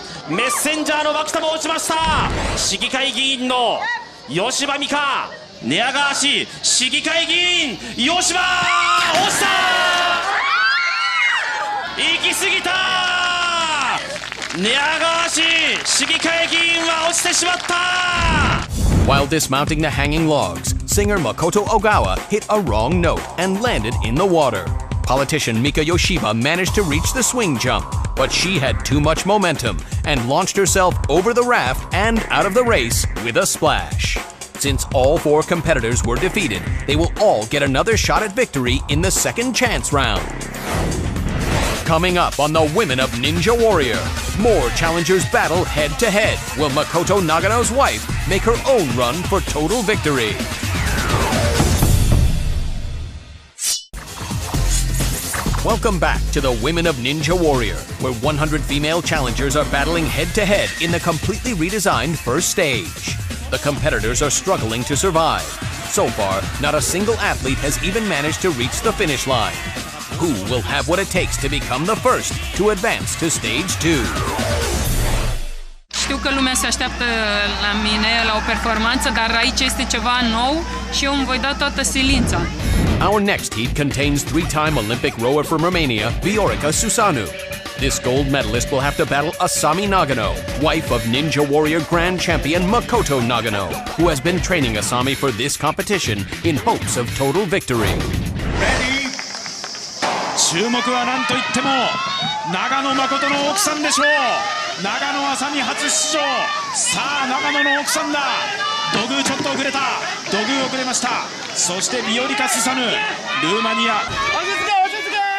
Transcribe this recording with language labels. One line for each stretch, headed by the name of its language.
Japanese: メッセンジャーの脇田も落ちました。市議会議員の吉羽美香、寝屋川市市議会議員吉羽、落ちた。行き過ぎた。寝屋川市市議会議員は落ちてしまった。
English: While dismounting the hanging logs, singer Makoto Ogawa hit a wrong note and landed in the water. Politician Mika Yoshiba managed to reach the swing jump, but she had too much momentum and launched herself over the raft and out of the race with a splash. Since all four competitors were defeated, they will all get another shot at victory in the second chance round. Coming up on the Women of Ninja Warrior... More challengers battle head to head. Will Makoto Nagano's wife make her own run for total victory? Welcome back to the Women of Ninja Warrior, where 100 female challengers are battling head to head in the completely redesigned first stage. The competitors are struggling to survive. So far, not a single athlete has even managed to reach the finish line. Who will have what it takes to become the first to advance to stage 2?
Romanian: știu că lumea se așteaptă la mine, la o performanță, dar aici este ceva nou și eu îmi voi da toată silința.
English: Our next heat contains three-time Olympic rower from Romania, Viorica Susanu. This gold medalist will have to battle Asami Nagano, wife of Ninja Warrior Grand Champion Makoto Nagano, who has been training Asami for this competition in hopes of total victory. Ready?
Japanese: 注目は何といっても長野誠の奥さんでしょう。長野麻美初出場。さあ長野の奥さんだ。土偶ちょっと遅れた。土偶遅れました。そしてビオリカ・スサヌ、ルーマニア。落ち着け落ち着け。